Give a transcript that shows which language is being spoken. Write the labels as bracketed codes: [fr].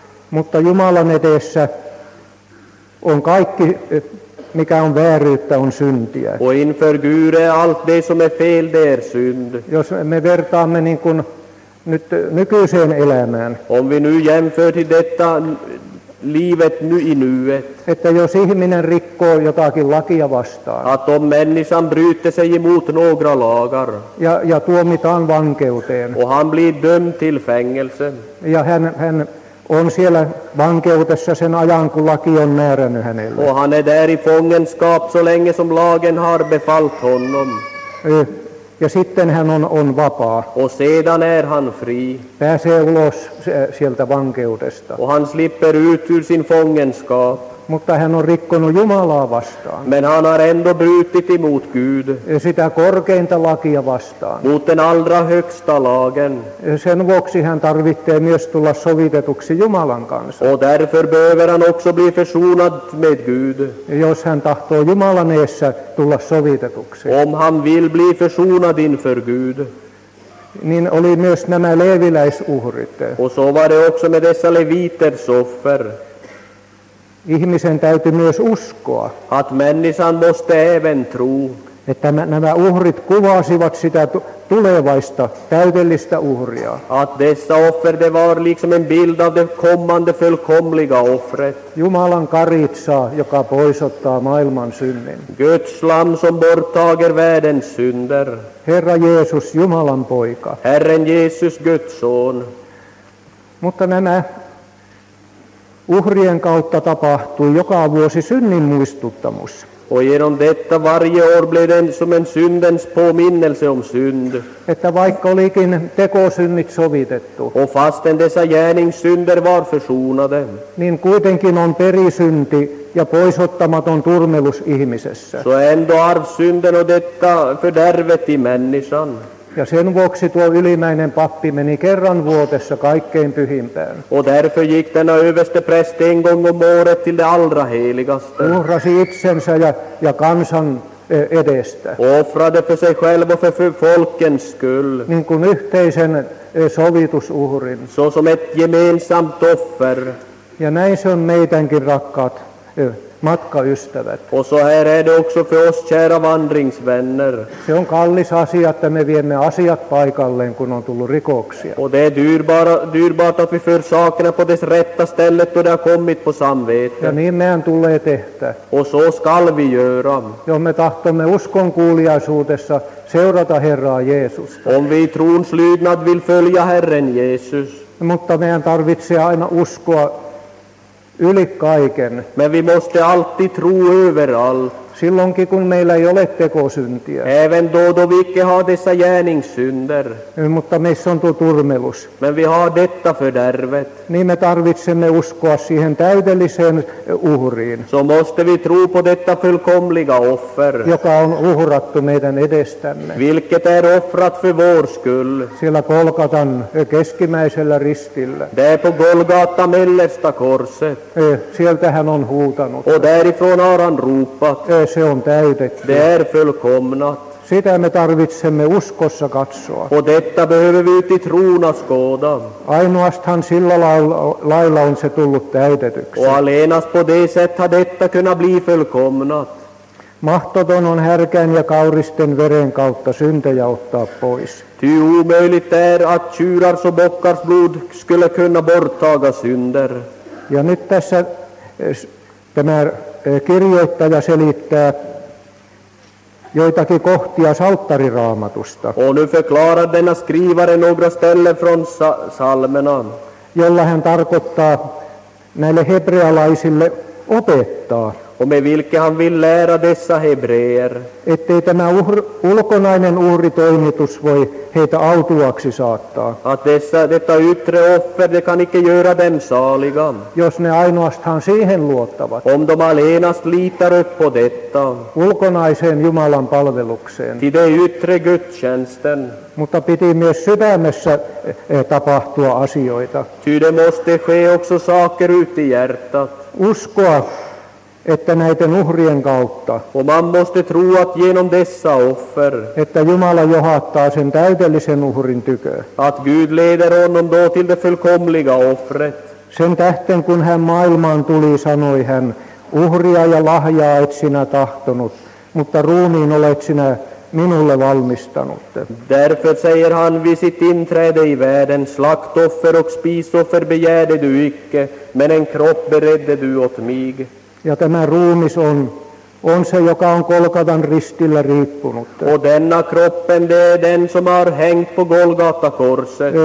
[fi] Mutta Jumalan edessä on kaikki, mikä on vääryyttä, on syntiä. [sv] Och inför Gud är allt det som är fel, det är synd. [fi] Jos me vertaamme niin kuin nyt nykyiseen elämään. [sv] Om vi nu jämför till detta livet nu i nuet. [fi] Että jos ihminen rikkoo jotakin lakia vastaan. [sv] Att om människan bryter sig emot några lagar. [fi] Ja tuomitaan vankeuteen. [sv] Och han blir dömd till fängelse. [fi] Ja hän on siellä vankeudessa sen ajan, kun laki on määrännyt hänelle. [sv] Och han är där i fångenskap så länge som lagen har befallt honom. [fi] Ja sitten hän on vapaa. [sv] Och sedan är han fri. [fi] Pääsee ulos sieltä vankeudesta. [sv] Och han slipper ut ur sin fångenskap. [fi] Mutta hän on rikkonut Jumalaa vastaan. [sv] Men han har ändå brutit emot Gud. [fi] Sitä korkeinta lakia vastaan. [sv] Mot den allra högsta lagen. [fi] Sen vuoksi hän tarvitsee myös tulla sovitetuksi Jumalan kanssa. [sv] Och därför behöver han också bli försonad med Gud. [fi] Jos hän tahtoo Jumalan edessä tulla sovitetuksi. [sv] Om han vill bli försonad inför Gud. [fi] niin oli myös nämä leviläisuhrit. [sv] Och så var det också med dessa leviters offer. [fi] Ihmisen täytyy myös uskoa. [sv] Att människan måste även tro. [fi] Että nämä uhrit kuvasivat sitä tulevaista täydellistä uhria. [sv] Att dessa offer det var liksom en bild av det kommande fullkomliga offret. [fi] Jumalan karitsaa, joka poisottaa maailman synnin. [sv] Guds lam som borttager världens synder. [fi] Herra Jeesus, Jumalan poika. [sv] Herren Jesus, Guds son. [fi] Mutta nämä uhrien kautta tapahtui joka vuosi synnin muistuttamus. [sv] Och genom detta varje år blev den som en syndens påminnelse om synd. [fi] Että vaikka olikin tekosynnit sovitettu. [sv] Och fastän dessa gärningssynder var försonade. [fi] Niin kuitenkin on perisynti ja poisottamaton turmelus ihmisessä. [sv] Så ändå arvsynden och detta fördärvet i människan. [fi] Ja sen vuoksi tuo ylimmäinen pappi meni kerran vuodessa kaikkein pyhimpään. [sv] Och därför gick denna överste präst en gång om året till det allra heligaste. [fi] Uhrasi itsensä ja kansan edestä. [sv] Offrade för sig själv och för folkens skull. [fi] Niin kuin yhteisen sovitusuhrin. [sv] Så som ett gemensamt offer. [fi] Ja näin se on meidänkin rakkaat matkaystävät. [sv] Och så här är det också för oss kära vandringsvänner. [fi] Se on kallis asia, että me viemme asiat paikalleen, kun on tullut rikoksia. [sv] Och det är dyrbart att vi för sakerna på dess rätta stället och det har kommit på samvete. [fi] Ja niin meidän tulee tehdä. [sv] Och så skall vi göra. [fi] Jo me tahtomme uskon kuuliaisuudessa seurata Herraa Jeesusta. [sv] Om vi i trons lydnad vill följa Herren Jesus. [fi] Mutta meidän tarvitsee aina uskoa yli kaiken. [sv] Men vi måste alltid tro överallt. [fi] Silloinkin kun meillä ei ole tekosyntiä. [sv] Även då vi icke har dessa gärningssynder. [fi] Mutta meissä on tuo turmelus. [sv] Men vi har detta fördärvet. [fi] Niin me tarvitsemme uskoa siihen täydelliseen uhriin. [sv] Så måste vi tro på detta fullkomliga offer. [fi] Joka on uhrattu meidän edestämme. [sv] Vilket är offrat för vår skull. [fi] Siellä Golgatan keskimmäisellä ristillä. [sv] Det är på Golgata mellersta korset. [fi] Sieltä hän on huutanut. [sv] Och därifrån har han ropat. [fi] Se on täytetty. [sv] Det är fullkomnat. [fi] Sitä me tarvitsemme uskossa katsoa. [sv] Och detta behöver vi ut i trona skåda. [fi] Ainoastaan sillä lailla on se tullut täytetyksi. [sv] Och allenast på det sätt har detta kunnat bli fullkomnat. [fi] Mahtoton on härkän ja kauristen veren kautta syntejä ottaa pois. [sv] Ty omöjligt är att tjurars och bockars blod skulle kunna borttaga synder. [fi] Ja nyt tässä tämä kirjoittaja selittää joitakin kohtia salttariraamatusta. [sv] On förklarar denna skrivare några ställen från salmerna. [fi] Jolla hän tarkoittaa näille hebrealaisille opettaa. [sv] Och med vilket han vill lära dessa hebreer. [fi] Ettei tämä ulkonainen uhritoimitus voi heitä autuaksi saattaa. [sv] Att detta yttre offer, det kan icke göra dem saliga. [fi] Jos ne ainoastaan siihen luottavat. [sv] Om de allenast litar upp på detta. [fi] Ulkonaiseen Jumalan palvelukseen. [sv] Till de yttre gudstjänsten. [fi] Mutta piti myös sydämessä tapahtua asioita. [sv] Ty det måste ske också saker ut i hjärtat. [fi] Uskoa, että näiden uhrien kautta. [sv] Och man måste tro att genom dessa offer. [fi] Että Jumala johattaa sen täydellisen uhrin tykö. [sv] Att Gud leder honom då till det fullkomliga offret. [fi] Sen tähten kun hän maailmaan tuli, sanoi hän, uhria ja lahjaa et sinä tahtonut, mutta ruumiin olet sinä minulle valmistanut. [sv] Därför säger han vid sitt inträde i världen, slaktoffer och spisoffer begärde du icke, men en kropp beredde du åt mig. [fi] Ja tämä ruumis on se, joka on Golgatan ristillä riippunut. [sv] Och denna kroppen, det är den som har hängt på Golgata korset.